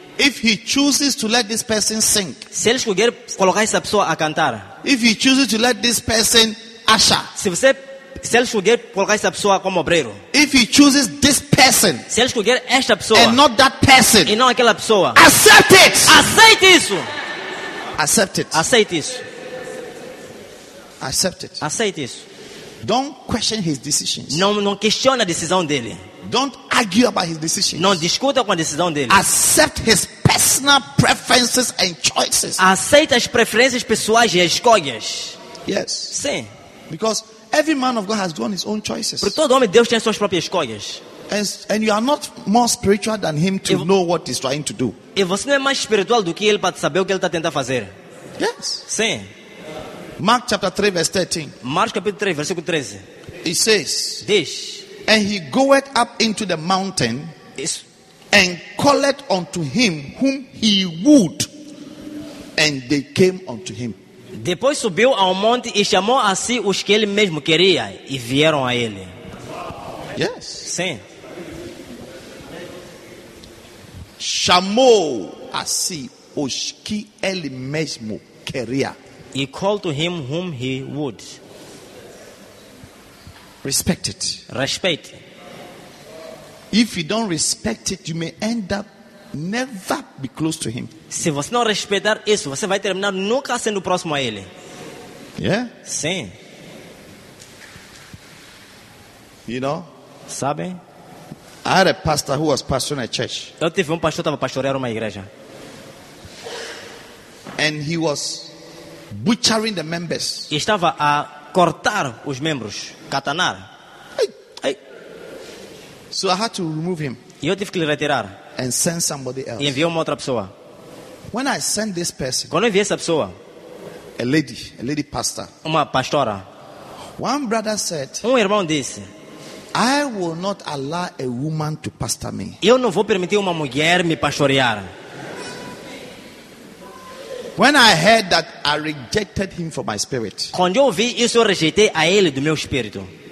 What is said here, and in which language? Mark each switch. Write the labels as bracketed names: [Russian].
[English] If he chooses to let this person sing, [Portuguese] se ele escolher colocar essa pessoa a cantar, [English] if he chooses to let this person usher, [Portuguese] se ele escolher colocar essa pessoa como obreiro, [English] if he chooses this person, [Portuguese] se ele escolher esta pessoa, [English] and not that person, [Portuguese] e não aquela pessoa, [English] accept it. [Portuguese] Aceite isso. [English] Accept it. [Portuguese] Aceite isso. [English] Accept it. [Portuguese] Aceite isso. [English] Don't question his decisions. [Portuguese] Não questiona a decisão dele. [English] Don't argue about his decisions. [Portuguese] Não discuta com a decisão dele. [English] Accept his personal preferences and choices. [Portuguese] Aceita as preferências pessoais e as escolhas. [English] Yes. [Portuguese] Sim. [English] Because every man of God has drawn his own choices. [Portuguese] Porque todo homem de Deus tem suas próprias escolhas. [English] And you are not more spiritual than him to know what he's trying to do. [Portuguese] E você não é mais espiritual do que ele para saber o que ele está tentando fazer. [English] Yes. [Portuguese] Sim. [English] Mark chapter 3 verse 13. [Portuguese] Marcos capítulo 3 versículo 13. [English] It says, [Portuguese] "Diz, [English] and he goeth up into the mountain, [Portuguese] isso, [English] and calleth unto him whom he would, and they came unto him." [Portuguese] Depois subiu ao monte e chamou a si os que ele mesmo queria e vieram a ele. [English] Yes. [Portuguese] Sim. Chamou a si os que ele mesmo queria. [English] He called to him whom he would. Respect it. Respect. If you don't respect it, you may end up never be close to him. [Portuguese] Se você não respeitar isso, você vai terminar nunca sendo próximo a ele. [English] Yeah? [Portuguese] Sim. [English] You know? [Portuguese] Sabe? [English] I had a pastor who was pastoring a church. [Portuguese] Eu tive pastor que estava pastoreando uma igreja. [English] And he was butchering the members. [Portuguese] E estava a cortar os membros, catanar. [English] Hey. So I had to remove him. [Portuguese] E eu tive que lhe retirar. [English] And send somebody else. [Portuguese] E enviou uma outra pessoa. [English] When I sent this person, [Portuguese] quando enviei essa pessoa, [English] a lady pastor, [Portuguese] uma pastora, [English] one brother said, [Portuguese] irmão disse, [English] I will not allow a woman to pastor me. [Portuguese] Eu não vou permitir uma mulher me pastorear. [English] When I heard that, I rejected him from my spirit. [Portuguese] Quando eu ouvi isso, eu rejeitei a ele do meu espírito.